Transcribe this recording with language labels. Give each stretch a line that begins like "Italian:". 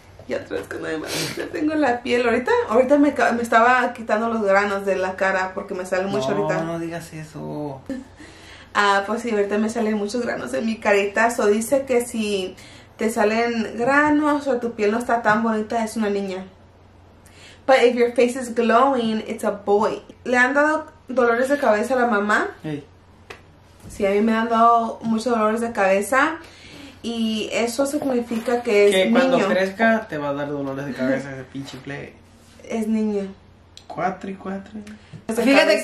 Spanish: Y otra vez cuando ya tengo la piel. Ahorita me estaba quitando los granos de la cara porque me sale mucho ahorita. No, no digas eso. Ah, pues sí, ahorita me salen muchos granos en mi carita. So dice que si te salen granos o tu piel no está tan bonita, es una niña.
English: But if your face is glowing, it's a boy.
Spanish: ¿Le han dado dolores de cabeza a la mamá? Hey. Sí, a mí me han dado muchos dolores de cabeza. Y eso significa que es que niño. Que cuando crezca te va a dar dolores de cabeza ese pinche play. Es niño. 4 y 4. Fíjate cabeza.